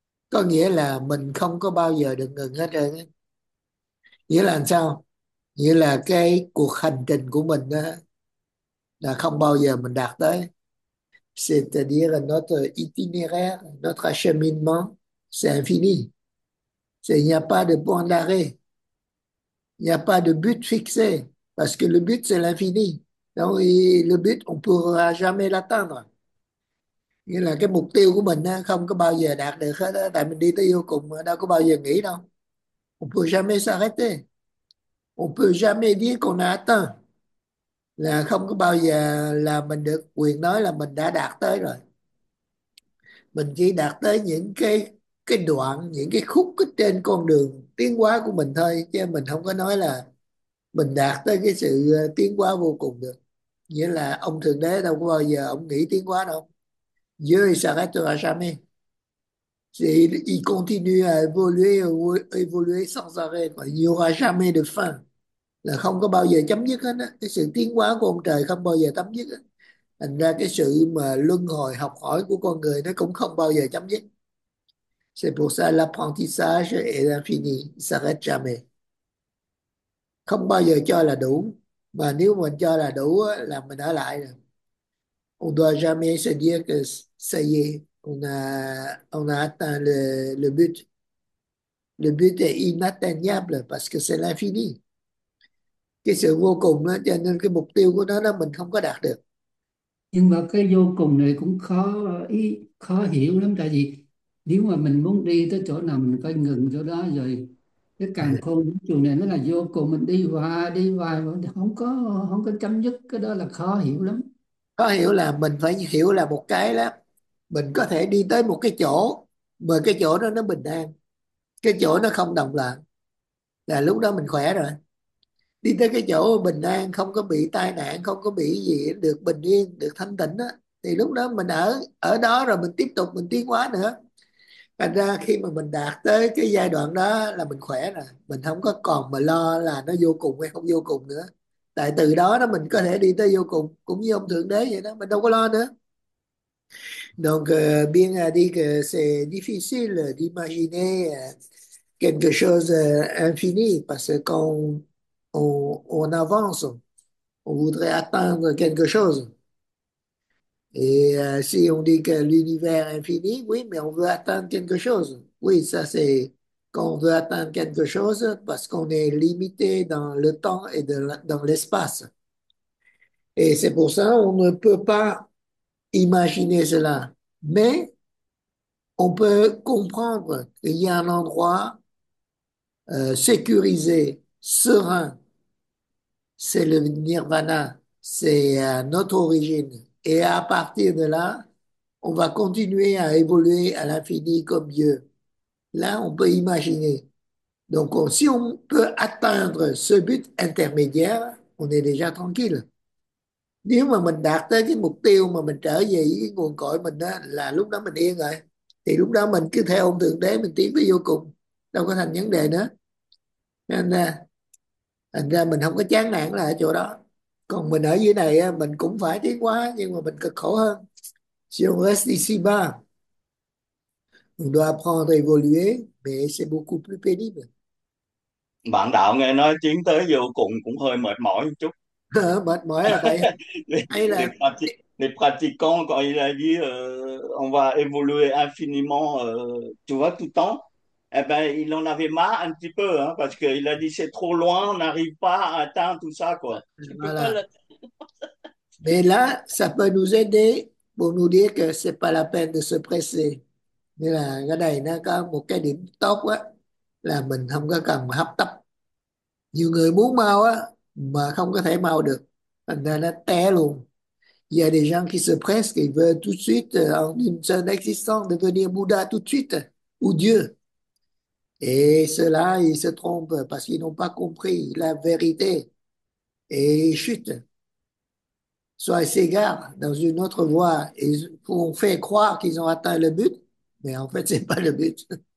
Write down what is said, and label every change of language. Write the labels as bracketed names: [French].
[Vietnamese] Có nghĩa là mình không có bao giờ được ngừng hết trơn. Nghĩa là làm sao? Nghĩa là cái cuộc hành trình của mình đó, là không bao giờ mình đạt tới. [French] C'est-à-dire, notre itinéraire, notre cheminement, c'est infini. Il n'y a pas de point d'arrêt. Il n'y a pas de but fixé. Parce que le but, c'est l'infini. Donc, le but, on ne pourra jamais l'atteindre. [Vietnamese] Nghĩa là cái mục tiêu của mình không có bao giờ đạt được hết. Tại mình đi tới vô cùng, đâu có bao giờ nghỉ đâu. [French] On ne peut jamais s'arrêter. On ne peut jamais dire qu'on a atteint. [Vietnamese] Là không có bao giờ là mình được quyền nói là mình đã đạt tới rồi. Mình chỉ đạt tới những cái đoạn, những cái khúc cái trên con đường tiến hóa của mình thôi, chứ mình không có nói là mình đạt tới cái sự tiến hóa vô cùng được. Nghĩa là ông Thượng Đế đâu có bao giờ ông nghĩ tiến hóa đâu. [French] Dieu s'arrêtera jamais. Il continue à évoluer sans arrêt. Il n'y aura jamais de fin. [Vietnamese] Là không có bao giờ chấm dứt hết á. Cái sự tiến hóa của ông trời không bao giờ chấm dứt hết. Thành ra cái sự mà luân hồi học hỏi của con người nó cũng không bao giờ chấm dứt. [French] C'est pour ça l'apprentissage est infini, s'arrête jamais. [Vietnamese] Không bao giờ cho là đủ, mà nếu mình cho là đủ là mình ở lại rồi. [French] On doit jamais se dire que ça y est, on a atteint le but. Le but est inatteignable parce que c'est l'infini. [Vietnamese] Cái sự vô cùng đó, cho nên cái mục tiêu của nó đó mình không có đạt được. Nhưng mà cái vô cùng này cũng khó ý, khó hiểu lắm, tại vì nếu mà mình muốn đi tới chỗ nào mình phải ngừng chỗ đó, rồi cái càn khôn vũ trụ này nó là vô cùng, mình đi hoài không có chấm dứt, cái đó là khó hiểu lắm. Có hiểu là mình phải hiểu là một cái là mình có thể đi tới một cái chỗ mà cái chỗ đó nó bình an, cái chỗ nó không động loạn là lúc đó mình khỏe rồi, đi tới cái chỗ bình an, không có bị tai nạn, không có bị gì, được bình yên, được thanh tịnh á, thì lúc đó mình ở ở đó rồi mình tiếp tục mình tiến hóa nữa. Thành ra khi mà mình đạt tới cái giai đoạn đó là mình khỏe rồi, mình không có còn mà lo là nó vô cùng hay không vô cùng nữa, tại từ đó đó mình có thể đi tới vô cùng, cũng như ông thượng đế vậy đó, mình đâu có lo nữa. [French] Donc bien dit que c'est difficile d'imaginer quelque chose d'infini parce qu'on on avance, on voudrait atteindre quelque chose. Et si on dit que l'univers est infini, oui, mais on veut atteindre quelque chose. Oui, ça c'est qu'on veut atteindre quelque chose parce qu'on est limité dans le temps et dans l'espace. Et c'est pour ça qu'on ne peut pas imaginer cela. Mais on peut comprendre qu'il y a un endroit sécurisé, serein. C'est le nirvana, c'est notre origine. Et à partir de là, on va continuer à évoluer à l'infini comme Dieu. Là, on peut imaginer. Donc, si on peut atteindre ce but intermédiaire, on est déjà tranquille. [Vietnamese] Nếu mà mình đạt tới cái mục tiêu mà mình trở về với cái nguồn cội mình đó, là lúc đó mình yên rồi. Thì lúc đó mình cứ theo ông Thượng Đế mình tiến tới vô cùng, đâu có thành vấn đề nữa. Thành ra mình không có chán nản là ở chỗ đó. Còn mình ở dưới này mình cũng phải tiến hóa nhưng mà mình cực khổ hơn. [French] Si on reste ici bas, on doit apprendre à évoluer, mais c'est beaucoup plus pénible. [Vietnamese] Bạn đạo nghe nói tiến tới vô cùng cũng hơi mệt mỏi một chút. Mệt mỏi là [French] Les [Vietnamese] vậy. Hay là [French] pratiquants quand il a dit on va évoluer infiniment tu vois tout le temps, eh ben il en avait marre un petit peu hein, parce qu'il a dit c'est trop loin, on n'arrive pas à atteindre tout ça quoi, tu peux pas voilà. l'atteindre. Mais là, ça peut nous aider pour nous dire que c'est pas la peine de se presser. [Vietnamese] Nên là cái này nó có một cái điểm tốt á, là mình không có cần hấp tấp. Nhiều người muốn mau á mà không có thể mau được, thành ra nó té luôn. [French] Il y a des gens qui se pressent, qui veulent tout de suite, en une seule existence, devenir Bouddha tout de suite, ou Dieu. Et ceux-là, ils se trompent parce qu'ils n'ont pas compris la vérité. Et ils chutent. Soit ils s'égarent dans une autre voie et on fait croire qu'ils ont atteint le but, mais en fait, ce n'est pas le but.